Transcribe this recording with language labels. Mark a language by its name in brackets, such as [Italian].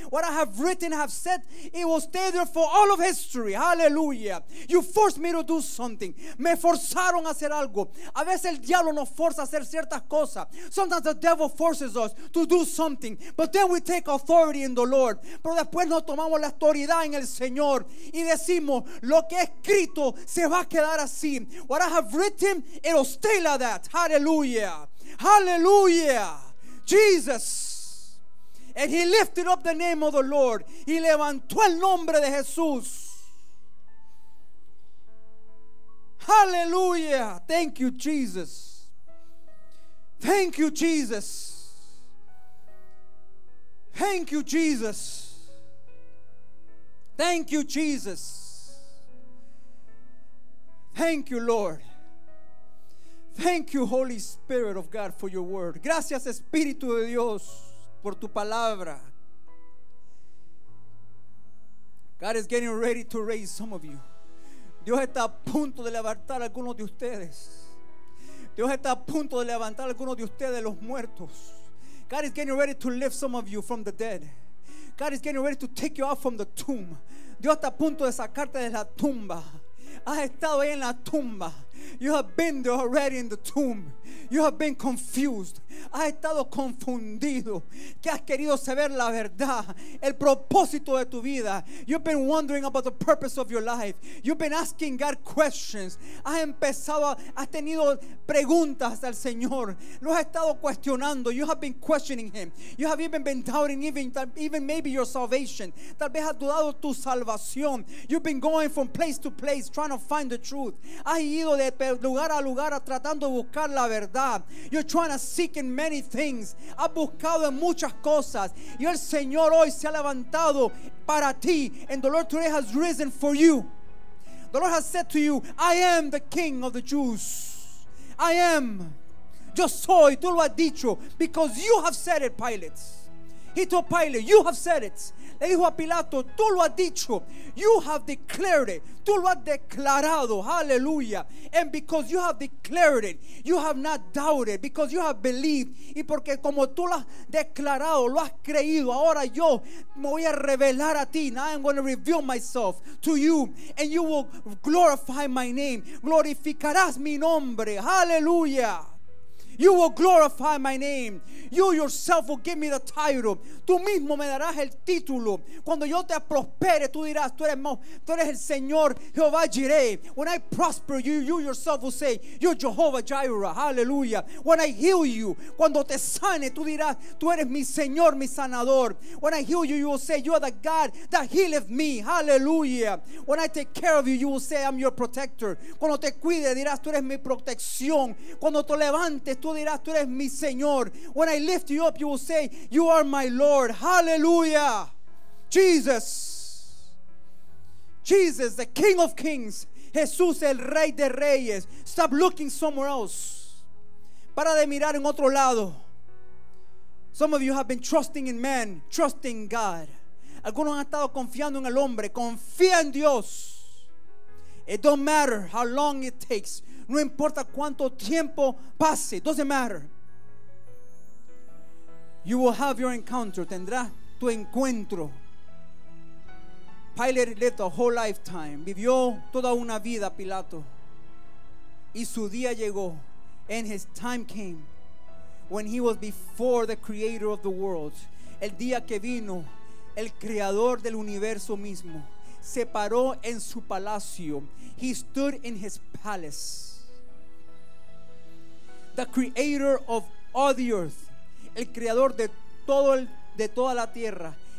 [English] What I have written, I have said, it will stay there for all of history. Hallelujah. You forced me to do something. [Spanish] Me forzaron a hacer algo. A veces el diablo nos forza a hacer ciertas cosas. [English] Sometimes the devil forces us to do something, but then we take authority in the Lord. [Spanish] Pero después nos tomamos la autoridad en el Señor y decimos: lo que he escrito se va a quedar así. [English] What I have written, it'll stay like that. Hallelujah. Hallelujah. Jesus. And he lifted up the name of the Lord. [Spanish] Y levantó el nombre de Jesús. [English] Hallelujah. Thank you, Jesus. Thank you, Jesus. Thank you, Jesus. Thank you, Jesus. Thank you, Lord. Thank you, Holy Spirit of God, for your word. [Spanish] Gracias, Espíritu de Dios, por tu palabra. [English] God is getting ready to raise some of you. [Spanish] Dios está a punto de levantar a algunos de ustedes. Dios está a punto de levantar a algunos de ustedes de los muertos. [English] God is getting ready to lift some of you from the dead. God is getting ready to take you out from the tomb. [Spanish] Dios está a punto de sacarte de la tumba. Has estado ahí en la tumba. [English] You have been there already in the tomb. You have been confused. [Spanish] Has estado confundido. Que has querido saber la verdad, el propósito de tu vida. [English] You've been wondering about the purpose of your life. You've been asking God questions. [Spanish] Has empezado, has tenido preguntas al Señor. Lo has estado cuestionando. [English] You have been questioning him. You have even been doubting even maybe your salvation. [Spanish] Tal vez has dudado tu salvación. [English] You've been going from place to place trying to find the truth. [Spanish] Has ido de lugar a lugar tratando de buscar la verdad. [English] You're trying to seek in many things. [Spanish] Has buscado en muchas cosas. Y el Señor hoy se ha levantado para ti. [English] And the Lord today has risen for you. The Lord has said to you, I am the King of the Jews. I am. [Spanish] Yo soy. Tú lo has dicho. [English] Because you have said it, Pilate. He told Pilate, you have said it. [Spanish] Le dijo a Pilato, tú lo has dicho. [English] You have declared it. [Spanish] Tú lo has declarado. [English] Hallelujah. And because you have declared it, you have not doubted. Because you have believed. [Spanish] Y porque como tú lo has declarado, lo has creído, ahora yo me voy a revelar a ti. [English] Now I'm going to reveal myself to you. And you will glorify my name. [Spanish] Glorificarás mi nombre. [English] Hallelujah. You will glorify my name. You yourself will give me the title. [Spanish] Tú mismo me darás el título. Cuando yo te prospere, tú dirás, tú eres el Señor Jehová Jireh. [English] When I prosper you, you yourself will say, you're Jehovah Jireh. Hallelujah. When I heal you, [Spanish] cuando te sane, tú dirás, tú eres mi Señor, mi sanador. [English] When I heal you, you will say, you are the God that healeth me. Hallelujah. When I take care of you, you will say, I'm your protector. [Spanish] Cuando te cuide, dirás, tú eres mi protección. Cuando te levantes, tú dirás, tú eres mi Señor. [English] When I lift you up, you will say, you are my Lord. Hallelujah. Jesus. Jesus, the King of Kings. [Spanish] Jesús, el Rey de Reyes. [English] Stop looking somewhere else. [Spanish] Para de mirar en otro lado. [English] Some of you have been trusting in men, trusting God. [Spanish] Algunos han estado confiando en el hombre. Confía en Dios. [English] It don't matter how long it takes. [Spanish] No importa cuánto tiempo pase. [English] Doesn't matter. You will have your encounter. [Spanish] Tendrás tu encuentro. [English] Pilate lived a whole lifetime. [Spanish] Vivió toda una vida, Pilato. Y su día llegó. [English] And his time came. When he was before the creator of the world. [Spanish] El día que vino, el creador del universo mismo. Se paró en su palacio. [English] He stood in his palace. The creator of all the earth. [Spanish] El creador de todo el, de toda la tierra.